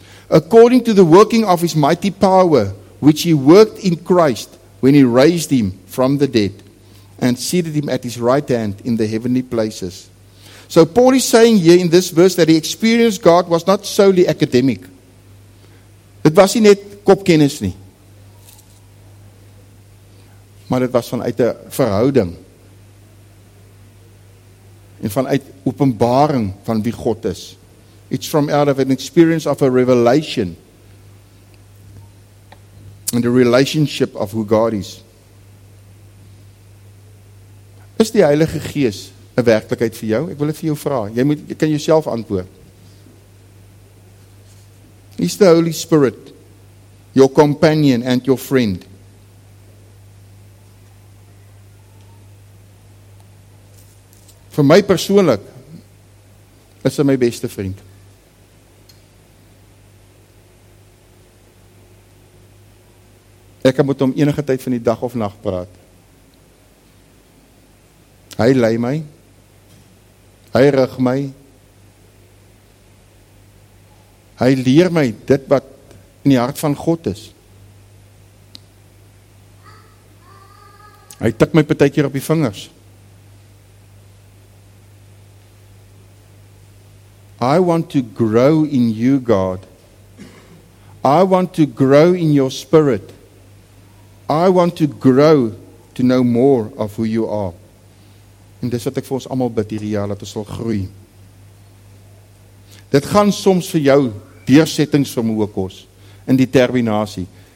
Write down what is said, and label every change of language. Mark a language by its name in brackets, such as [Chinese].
[English] According to the working of his mighty power, which he worked in Christ when he raised him from the dead and seated him at his right hand in the heavenly places. So Paul is saying here in this verse that he experienced God was not solely academic. [Afrikaans] Dit was nie net kopkennis nie. Maar dit was vanuit 'n verhouding. En vanuit openbaring van wie God is. [English] It's from out of an experience of a revelation. And the relationship of who God is. [Afrikaans] Is die Heilige Gees 'n werklikheid vir jou? Ek wil dit vir jou vra. Jy kan jouself antwoord. [English] Is the Holy Spirit your companion and your friend? [Afrikaans] Vir my persoonlik is hy my beste vriend. Ek kan met hom enige tyd van die dag of nag praat. Hy lei my. Hy rig my. Hy leer my dit wat in die hart van God is. Hy tik my partykeer op die vingers. [English] I want to grow in you, God. I want to grow in your spirit. I want to grow to know more of who you are. [Afrikaans] En dis wat ek vir ons allemaal bid hierdie jaar, dat ons sal groei. Dit gaan soms vir jou deursettingsvermoe kos, in die terminatie.